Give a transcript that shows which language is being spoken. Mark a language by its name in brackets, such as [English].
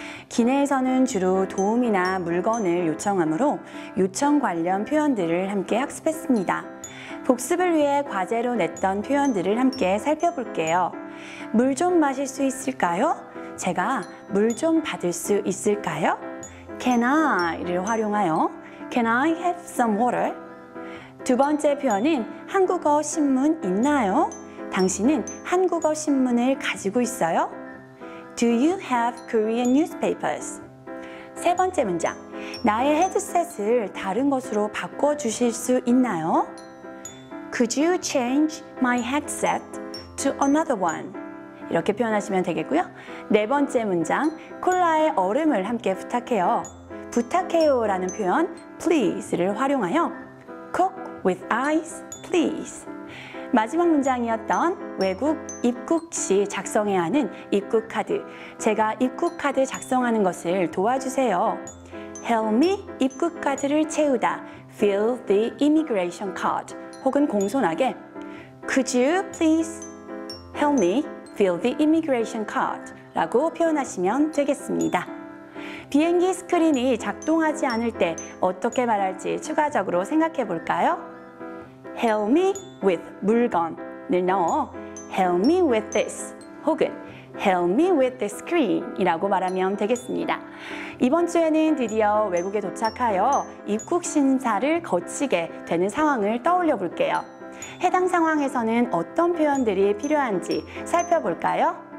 [Korean] 기내에서는 주로 도움이나 물건을 요청하므로 요청 관련 표현들을 함께 학습했습니다. 복습을 위해 과제로 냈던 표현들을 함께 살펴볼게요. 물 좀 마실 수 있을까요? 제가 물 좀 받을 수 있을까요? [English] Can I를 [Korean] 활용하여 [English] Can I have some water? [Korean] 두 번째 표현은 한국어 신문 있나요? 당신은 한국어 신문을 가지고 있어요? [English] Do you have Korean newspapers? [Korean] 세 번째 문장, 나의 헤드셋을 다른 것으로 바꿔주실 수 있나요? [English] Could you change my headset to another one? [Korean] 이렇게 표현하시면 되겠고요. 네 번째 문장, 콜라에 얼음을 함께 부탁해요. 부탁해요라는 표현, please를 활용하여 [English] Coke with ice, please. [Korean] 마지막 문장이었던 외국 입국 시 작성해야 하는 입국 카드. 제가 입국 카드 작성하는 것을 도와주세요. [English] Help me [Korean] 입국 카드를 채우다. [English] Fill the immigration card. [Korean] 혹은 공손하게 [English] Could you please help me fill the immigration card? [Korean] 라고 표현하시면 되겠습니다. 비행기 스크린이 작동하지 않을 때 어떻게 말할지 추가적으로 생각해 볼까요? [English] Help me with [Korean] 물건을 넣어 [English] Help me with this 혹은 Help me with the screen [Korean] 이라고 말하면 되겠습니다. 이번 주에는 드디어 외국에 도착하여 입국 신사를 거치게 되는 상황을 떠올려 볼게요. 해당 상황에서는 어떤 표현들이 필요한지 살펴볼까요?